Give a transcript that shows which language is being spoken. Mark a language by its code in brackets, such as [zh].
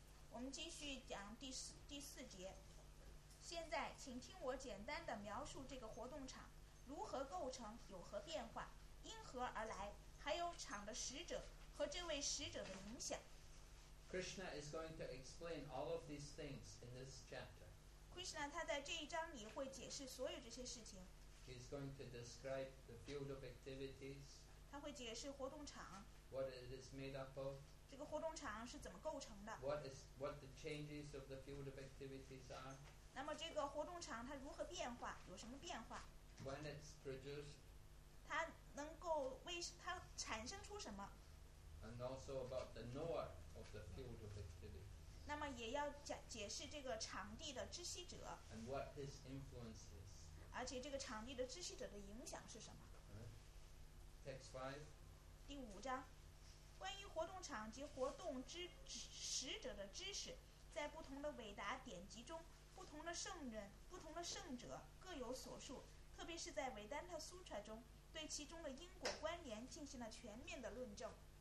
[zh] 我们继续讲第四节。现在请听我简单的描述这个活动场如何构成、有何变化、因何而来，还有场的使者和这位使者的影响。 [en] Krishna is going to explain all of these things in this chapter. [zh] Krishna 他在这一章里会解释所有这些事情。 [en] He is going to describe the field of activities. [zh] 他会解释活动场。 [en] What it is made up of. [zh] 这个活动场是怎么构成的？ [en] What the changes of the field of activities are? [zh] 那么这个活动场它如何变化？有什么变化？ [en] When it's produced? [zh] 它能够为它产生出什么？ [en] And also about the knower of the field of activities. [zh] 那么也要解释这个场地的知悉者。 [en] And what his influence is. [zh] 而且这个场地的知悉者的影响是什么？ [en] Text 5. [zh] 第五章。关于活动场及活动之使者的知识，在不同的伟达典籍中，不同的圣人、不同的圣者各有所述，特别是在维丹塔苏彻中，对其中的因果关联进行了全面的论证。